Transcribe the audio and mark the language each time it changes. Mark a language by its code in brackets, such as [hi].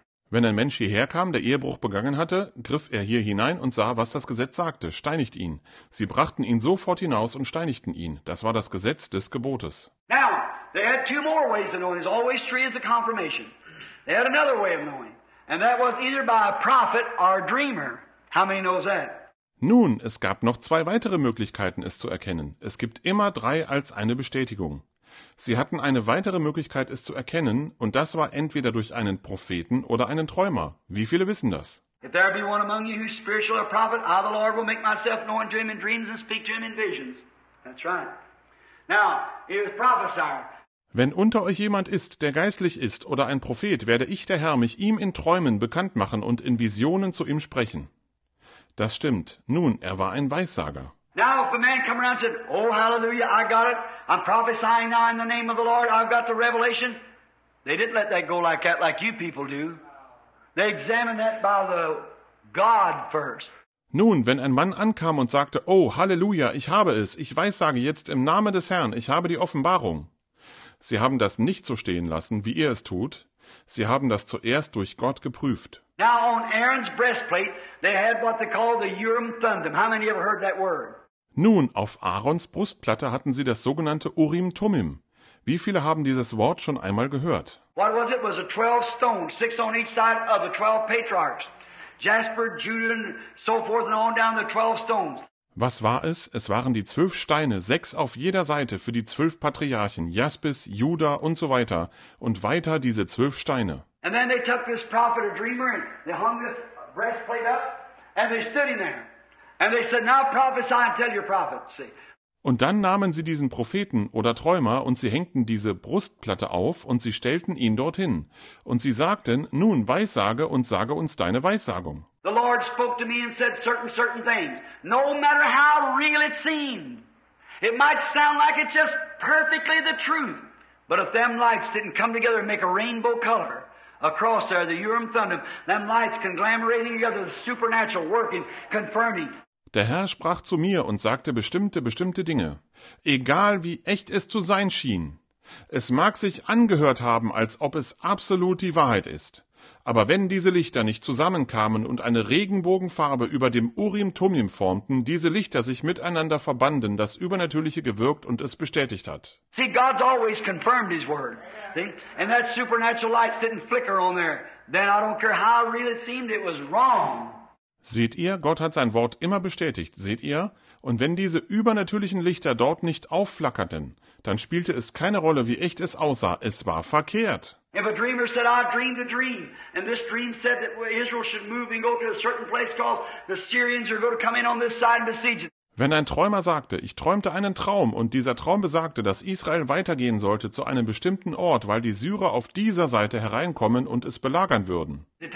[de] Wenn ein Mensch hierher kam, der Ehebruch begangen hatte, griff er hier hinein und sah, was das Gesetz sagte, steinigt ihn. Sie brachten ihn sofort hinaus und steinigten ihn. Das war das Gesetz des Gebotes. [en] Now, they had two more ways of knowing. It's always three as a confirmation. They had another way of knowing. And that was either by a prophet or a dreamer. How many knows that? [de] Nun, es gab noch zwei weitere Möglichkeiten, es zu erkennen. Es gibt immer drei als eine Bestätigung. Sie hatten eine weitere Möglichkeit, es zu erkennen, und das war entweder durch einen Propheten oder einen Träumer. Wie viele wissen das? [en] If there be one among you who is spiritual or prophet, I, the Lord, will make myself known to him in dreams and speak to him in visions. That's right. Now, he is prophesier. [de] Wenn unter euch jemand ist, der geistlich ist oder ein Prophet, werde ich, der Herr, mich ihm in Träumen bekannt machen und in Visionen zu ihm sprechen. Das stimmt. Nun, er war ein Weissager. [en] Now, if a man come around and said, oh, hallelujah, I got it. I'm prophesying now in the name of the Lord. I've got the revelation. They didn't let that go like that, like you people do. They examined that by the God first. [de] Nun, wenn ein Mann ankam und sagte, oh, halleluja, ich habe es. Ich weissage jetzt im Namen des Herrn, ich habe die Offenbarung. Sie haben das nicht so stehen lassen, wie ihr es tut. Sie haben das zuerst durch Gott geprüft. [en] Now on Aaron's breastplate, they had what they call the Urim Thummim. How many ever heard that word? [de] Nun, auf Aarons Brustplatte hatten sie das sogenannte Urim Thummim. Wie viele haben dieses Wort schon einmal gehört? [en] What was it? It was a 12 stones, six on each side of the 12 patriarchs. Jasper, Judah, and so forth and on down the 12 stones. [de] Was war es? Es waren die 12 Steine, 6 auf jeder Seite für die 12 Patriarchen, Jaspis, Juda und so weiter, und weiter diese 12 Steine. [en] And then they took this prophet, a dreamer, and they hung this breastplate up, and they stood in there. And they said, now prophesy and tell your prophet, see. [de] Und dann nahmen sie diesen Propheten oder Träumer und sie hängten diese Brustplatte auf und sie stellten ihn dorthin. Und sie sagten, nun weissage und sage uns deine Weissagung. [en] The Lord spoke to me and said certain things. No matter how real it seemed, it might sound like it's just perfectly the truth. But if them lights didn't come together and make a rainbow color across there, the Urim Thummim, them lights conglomerating together, the supernatural working, confirming. [de] Der Herr sprach zu mir und sagte bestimmte Dinge. Egal wie echt es zu sein schien, es mag sich angehört haben, als ob es absolut die Wahrheit ist. Aber wenn diese Lichter nicht zusammenkamen und eine Regenbogenfarbe über dem Urim Thummim formten, diese Lichter sich miteinander verbanden, das Übernatürliche gewirkt und es bestätigt hat. [en] See, God's always confirmed his word. See? And that supernatural light didn't flicker on there. Then I don't care how real it seemed, it was wrong. [de] Seht ihr, Gott hat sein Wort immer bestätigt, seht ihr? Und wenn diese übernatürlichen Lichter dort nicht aufflackerten, dann spielte es keine Rolle, wie echt es aussah, es war verkehrt. [en] If a dreamer said, I dreamed a dream, and this dream said that Israel should move and go to a certain place called the Syrians are going to come in on this side and besiege it. [de] Wenn ein Träumer sagte, ich träumte einen Traum und dieser Traum besagte, dass Israel weitergehen sollte zu einem bestimmten Ort, weil die Syrer auf dieser Seite hereinkommen und es belagern würden.